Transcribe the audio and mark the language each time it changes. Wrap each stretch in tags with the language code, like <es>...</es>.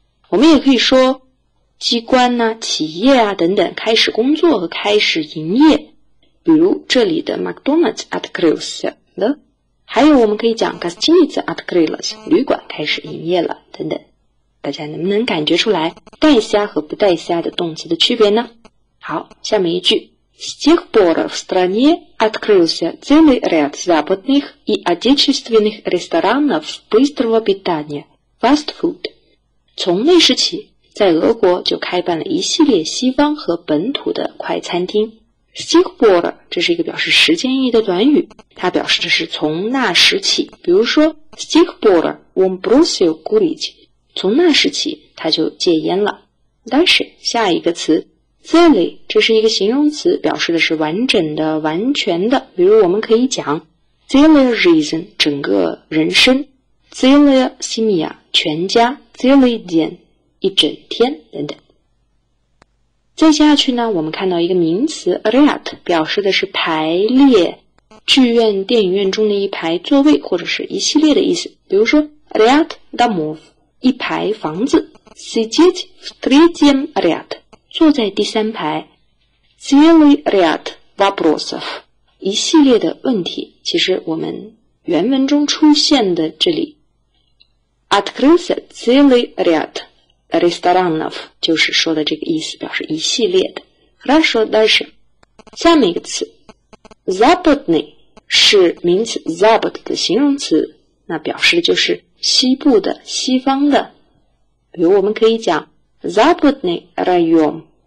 <zh>我们也可以说机关啊企业啊等等开始工作和开始营业，比如这里的 McDonald's открылся 了，还有我们可以讲</zh> <ru>гостиница открылась,</ru> <zh>旅馆开始营业了等等。大家能不能感觉出来带虾和不带虾的动词的区别呢？好，下面一句，</zh> <ru>С тех пор в стране открылся целый ряд западных и отечественных ресторанов быстрого питания, fast food.</ru> <zh>从那时起，在俄国就开办了一系列西方和本土的快餐厅。</zh> <ru>С тех пор,</ru> <zh>这是一个表示时间意义的短语，它表示的是从那时起。比如说</zh> <ru>С тех пор он бросил курить,</ru> <zh>从那时起他就戒烟了。但是下一个词Целый, 这是一个形容词，表示的是完整的、完全的。比如我们可以讲</zh> <ru>целая жизнь,</ru> <zh>整个人生</zh> <ru>целая семья,</ru> <zh>全家</zh> <ru>целый день,</ru> <zh>一整天等等。再接下去呢，我们看到一个名词 ряд, 表示的是排列，剧院、电影院中的一排座位或者是一系列的意思。比如说</zh> <ru>ряд домов,</ru> <zh>一排房子</zh> <ru>сидеть в третьем ряд,</ru> <zh>坐在第三排</zh> <ru>целый ряд вопросов,</ru> <zh>一系列的问题。其实我们原文中出现的这里</zh> <ru>открылся целый ряд ресторанов,</ru> <zh>就是说的这个意思，表示一系列的。</zh> <ru>Хорошо, дальше.</ru> <zh>下面一个词</zh> <ru>западный,</ru> <zh>是名词 запад 的形容词，那表示的就是西部的、西方的。比如我们可以讲</zh> <ru>Западный район,</ru>